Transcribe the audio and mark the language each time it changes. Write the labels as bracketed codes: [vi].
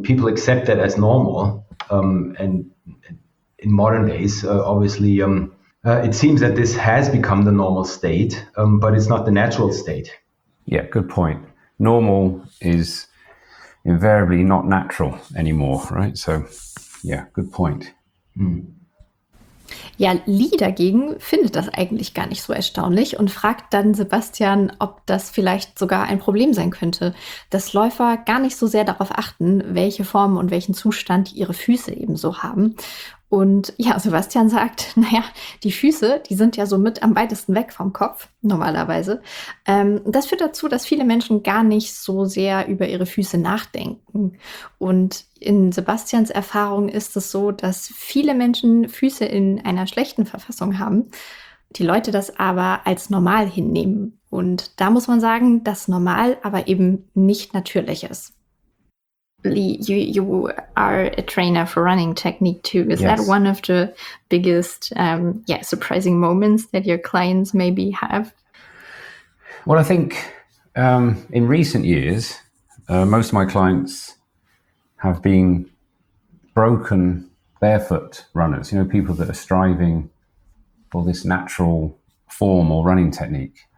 [en] And people accept that as normal. And in modern days, it seems that this has become the normal state, but it's not the natural state. Yeah, good point. Normal is invariably not natural anymore, right? So, yeah, good point. Mm. [de] Ja, Lee dagegen findet das eigentlich gar nicht so erstaunlich und fragt dann Sebastian, ob das vielleicht sogar ein Problem sein könnte, dass Läufer gar nicht so sehr darauf achten, welche Form und welchen Zustand ihre Füße eben so haben. Und ja, Sebastian sagt, naja, die Füße, die sind ja so mit am weitesten weg vom Kopf, normalerweise. Das führt dazu, dass viele Menschen gar nicht so sehr über ihre Füße nachdenken. Und in Sebastians Erfahrung ist es so, dass viele Menschen Füße in einer schlechten Verfassung haben, die Leute das aber als normal hinnehmen. Und da muss man sagen, dass normal aber eben nicht natürlich ist. [en] Lee, you are a trainer for running technique too. Is that one of the biggest, surprising moments that your clients maybe have? Well, I think in recent years, most of my clients have been broken barefoot runners, you know, people that are striving for this natural form or running technique.